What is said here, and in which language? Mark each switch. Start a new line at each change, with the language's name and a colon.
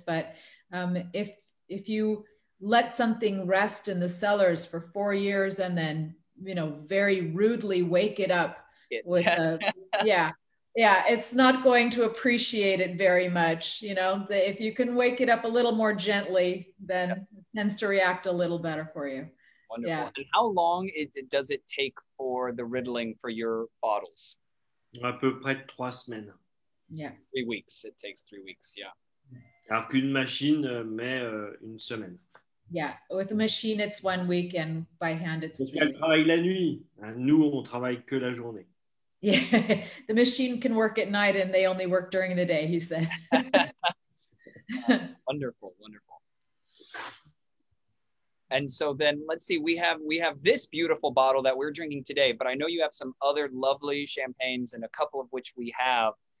English: But if you let something rest in the cellars for 4 years and then, very rudely wake it up with Yeah, it's not going to appreciate it very much. If you can wake it up a little more gently, then it tends to react a little better for you. Wonderful. Yeah. And how long does it take for the riddling for your bottles?
French: À peu près 3 semaines.
English: Yeah. 3 weeks. It takes 3 weeks, yeah.
French: Alors qu'une machine met une semaine.
English: Yeah, with a machine, it's 1 week, and by hand, it's 3 weeks.
French: Parce qu'elle travaille la nuit. Nous, on travaille que la journée.
English: Yeah, the machine can work at night and they only work during the day, he said. wonderful, wonderful. And so then let's see, we have this beautiful bottle that we're drinking today, but I know you have some other lovely champagnes and a couple of which we have.